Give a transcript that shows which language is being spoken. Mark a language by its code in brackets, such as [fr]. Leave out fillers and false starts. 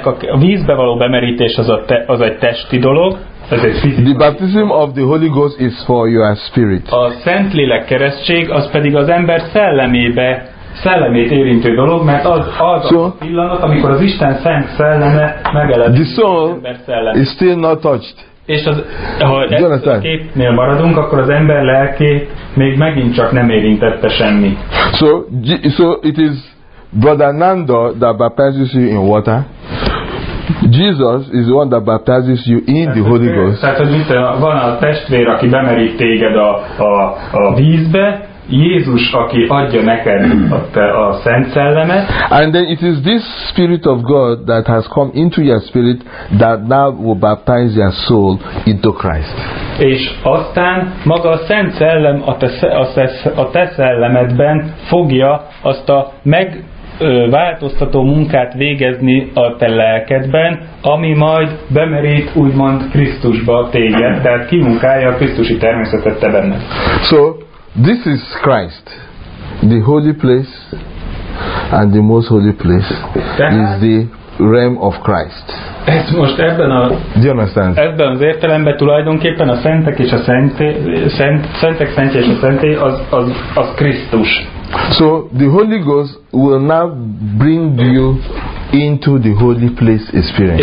[hu] A vízbe való bemerítés az egy testi dolog. [en] The baptism of the Holy Ghost is for your spirit. [hu] A Szentlélek keresztség az pedig az ember szellemébe, szellemét érintő dolog, mert az a pillanat, amikor az Isten Szent Szelleme megelevedik az ember szellemét. [en] The soul is still not touched. [hu] És ha ezt a képnél maradunk, akkor az ember lelké még megint csak nem érintette semmi. [en] So it is Brother Nando that baptizes you in water. Jesus is the one that baptizes you in the Holy Ghost. [hu] Tehát, hogy itt van a testvér, aki bemerít téged a vízbe, Jézus, aki adja neked a Szent Szellemet. [en] And then it is this Spirit of God that has come into your spirit that now will baptize your soul into Christ. [hu] És aztán maga a Szent Szellem a te szellemedben fogja azt a megváltoztató munkát végezni a te lelkedben, ami majd bemerít úgymond Krisztusba téged, tehát kimunkálja a krisztusi természetet te benned. [en] So, this is Christ, the holy place, and the most holy place is the realm of Christ. [hu] Ez most ebben a, [en] do you understand? [hu] Ebben az értelemben tulajdonképpen a szentek és a szentek szentje és a szenté az Krisztus. [en] So the Holy Ghost will now bring you into the holy place experience.